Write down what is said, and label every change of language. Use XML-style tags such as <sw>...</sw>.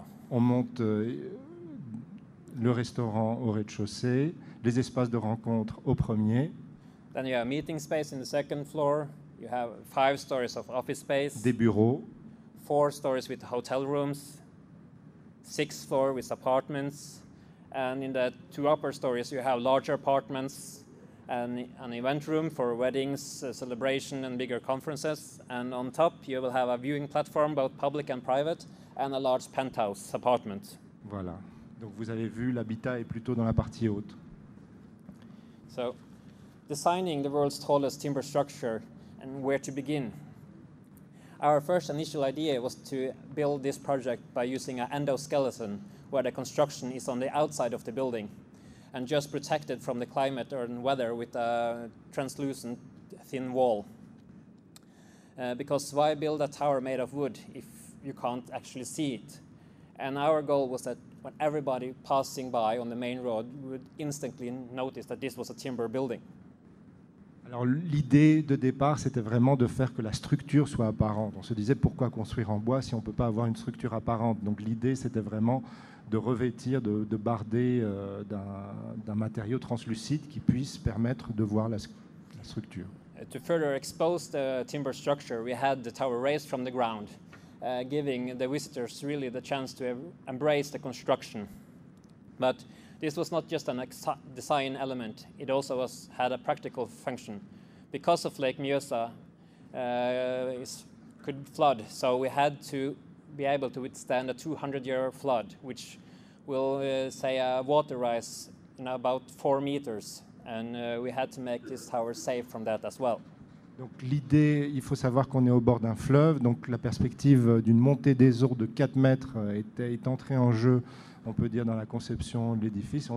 <fr>On monte le restaurant au rez-de-chaussée, les espaces de rencontre au premier.</fr> <en>Then you have a meeting space in the second floor. You have 5 stories of office space.</en> <fr>Des bureaux.</fr> <en>4 stories with hotel rooms. 6th floor with apartments, and in the 2 upper stories you have larger apartments and an event room for weddings, celebration, and bigger conferences. And on top you will have a viewing platform, both public and private, and a large penthouse apartment.</en> <fr>Voilà. Donc vous avez vu, l'habitat est plutôt dans la partie haute.</fr> <en>So, designing the world's tallest timber structure and where to begin. Our first initial idea was to build this project by using an endoskeleton where the construction is on the outside of the building and just protected from the climate or weather with a translucent thin wall. Because why build a tower made of wood if you can't actually see it? And our goal was that when everybody passing by on the main road would instantly notice that this was a timber building.</en> <fr>Alors l'idée de départ, c'était vraiment de faire que la structure soit apparente. On se disait pourquoi construire en bois si on ne peut pas avoir une structure apparente. Donc l'idée, c'était vraiment de revêtir, de barder d'un matériau translucide qui puisse permettre de voir la structure.</fr> <en>To further expose the timber structure, we had the tower raised from the ground giving the visitors really the chance to embrace the construction. But this was not just an design element, it also had a practical function. Because of Lake Mjøsa, it could flood, so we had to be able to withstand a 200-year flood, which will say a water rise in about 4 meters, and we had to make this tower safe from that as well.</en> <fr>Donc l'idée, il faut savoir qu'on est au bord d'un fleuve, donc la perspective d'une montée des eaux de 4 mètres est entrée en jeu, on peut dire, dans la conception de l'édifice.</fr>